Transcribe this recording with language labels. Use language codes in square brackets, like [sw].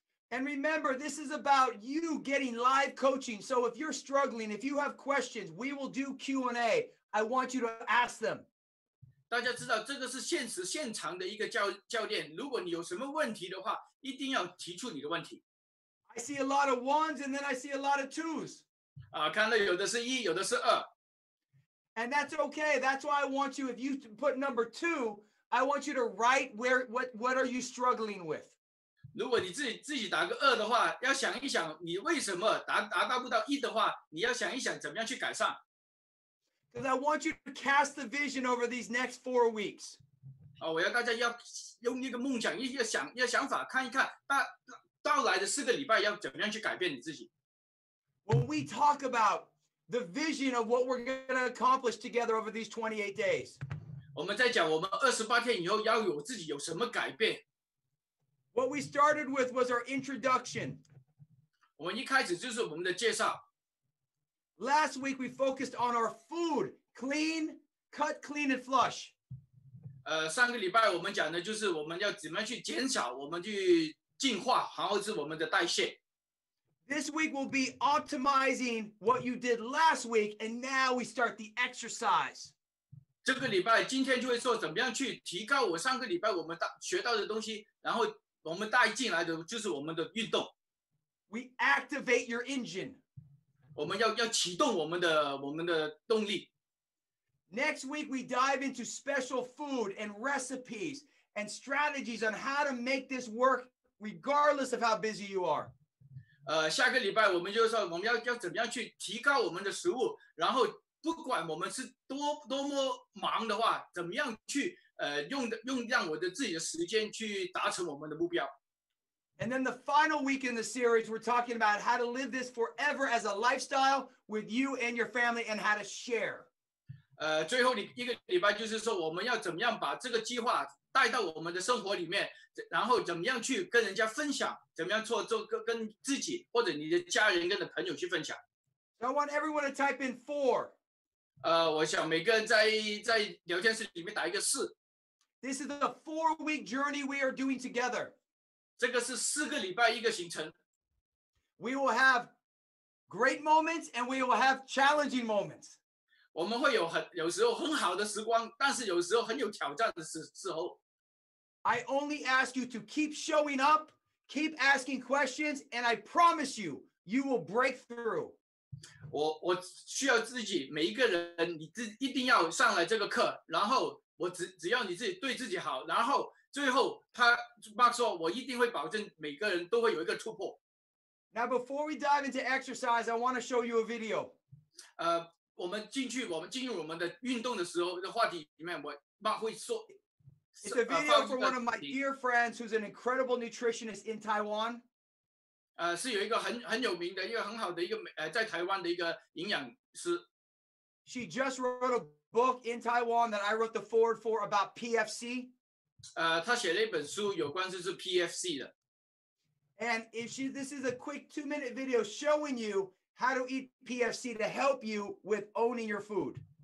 [en] And remember, this is about you getting live coaching. So if you're struggling, if you have questions, we will do Q&A. I want you to ask them. [zh] 大家知道这个是现实现场的一个教练，如果你有什么问题的话，一定要提出你的问题。 [en] I see a lot of ones and then I see a lot of twos. [zh] 看到有的是一，有的是二。 [en] And that's okay. That's why I want you, if you put number two, I want you to write what are you struggling with. [zh] 如果你自己打个二的话，要想一想你为什么达到不到一的话，你要想一想怎么样去改善。 [en] Because I want you to cast the vision over these next 4 weeks. [zh] 我要大家要用一个梦想，一个想法，看一看到来的四个礼拜要怎么样去改变你自己。 [en] When we talk about the vision of what we're going to accomplish together over these 28 days. [zh] 我们在讲我们28天以后要有自己有什么改变。 [en] What we started with was our introduction. [zh] 我们一开始就是我们的介绍。 [en] Last week we focused on our food, clean, cut clean and flush. [zh] 上个礼拜我们讲的就是我们要怎么去减少，我们去净化，然后是我们的代谢。 [en] This week will be optimizing what you did last week, and now we start the exercise. [zh] 这个礼拜今天就会说怎么样去提高我上个礼拜我们学到的东西，然后我们带进来的就是我们的运动。 [en] We activate your engine. [zh] 我们要启动我们的动力。 [en] Next week we dive into special food and recipes and strategies on how to make this work regardless of how busy you are. [zh] 下个礼拜我们就是说我们 要怎么样去提高我们的食物，然后不管我们是 多么忙的话，怎么样去用我的自己的时间去达成我们的目标。 [en] And then the final week in the series, we're talking about how to live this forever as a lifestyle with you and your family and how to share. [zh] 最后一个礼拜就是说我们要怎么样把这个计划带到我们的生活里面，然后怎么样去跟人家分享，怎么样做跟自己或者你的家人跟的朋友去分享。 [en] So I want everyone to type in 4. [zh] 我想每个人在聊天室里面打一个4。 [en] This is the 4-week journey we are doing together. [zh] 这个是四个礼拜一个行程。 [en] We will have great moments and we will have challenging moments. [zh] 我们会有时候很好的时光，但是有时候很有挑战的时候。 [en] I only ask you to keep showing up, keep asking questions, and I promise you, you will break through. [zh] 我需要自己每一个人，你一定要上来这个课，然后我 只要你自己对自己好，然后最后他 Mark 说，我一定会保证每个人都会有一个突破。 [en] Now before we dive into exercise, I want to show you a video. [zh] 我们进入我们的运动的时候的话题里面，我 Mark 会说。 [en] It's a video for one of my dear friends who's an incredible nutritionist in Taiwan. [zh] 是有一个很有名的一个很好的一个在台湾的一个营养师。 [en] She just wrote a book in Taiwan that I wrote the foreword for about PFC. [zh] 她写了一本书有关就是 PFC 的。 [en] And this is a quick 2-minute video showing you how to eat PFC to help you with owning your food.